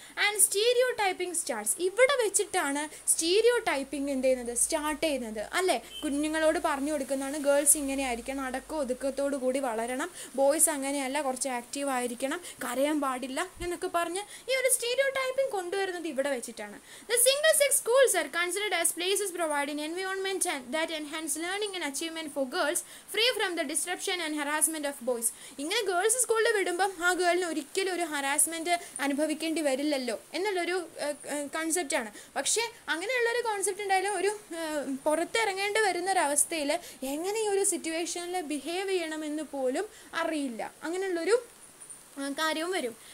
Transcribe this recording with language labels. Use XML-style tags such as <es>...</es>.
<en>and stereotyping starts,</en> <ml>ഇവിടെ വെച്ചിട്ടാണ് stereo typing എന്ത് ചെയ്യുന്നത്, സ്റ്റാർട്ട് ചെയ്യുന്നത് അല്ലേ. കുഞ്ഞുങ്ങളോട് പറഞ്ഞു കൊടുക്കുന്നതാണ് ഗേൾസ് ഇങ്ങനെ ആയിരിക്കണം, അടക്കം ഒതുക്കത്തോടു കൂടി വളരണം, ബോയ്സ് അങ്ങനെയല്ല, കുറച്ച് ആക്റ്റീവ് ആയിരിക്കണം, കരയാൻ പാടില്ല എന്നൊക്കെ പറഞ്ഞ് ഈ ഒരു സ്റ്റീരിയോ ടൈപ്പിംഗ് കൊണ്ടുവരുന്നത് ഇവിടെ വെച്ചിട്ടാണ്.</ml> <en>The single sex schools are considered as places providing environment that enhance learning and achievement for girls free from the disruption and harassment of boys.</en> <ml>ഇങ്ങനെ ഗേൾസ് സ്കൂളിൽ വിടുമ്പോൾ ആ ഗേളിന് ഒരിക്കലും ഒരു ഹറാസ്മെന്റ് അനുഭവിക്കേണ്ടി വരില്ലല്ലോ എന്നുള്ളൊരു കൺസെപ്റ്റ് ആണ്. പക്ഷേ അങ്ങനെയുള്ളൊരു കോൺസെപ്റ്റ് ഉണ്ടായാലും ഒരു പുറത്തിറങ്ങേണ്ടി വരുന്ന ഒരവസ്ഥയിൽ എങ്ങനെ ഈ ഒരു സിറ്റുവേഷനിൽ ബിഹേവ് ചെയ്യണമെന്ന് പോലും അറിയില്ല, അങ്ങനെയുള്ളൊരു കാര്യവും വരും.</ml>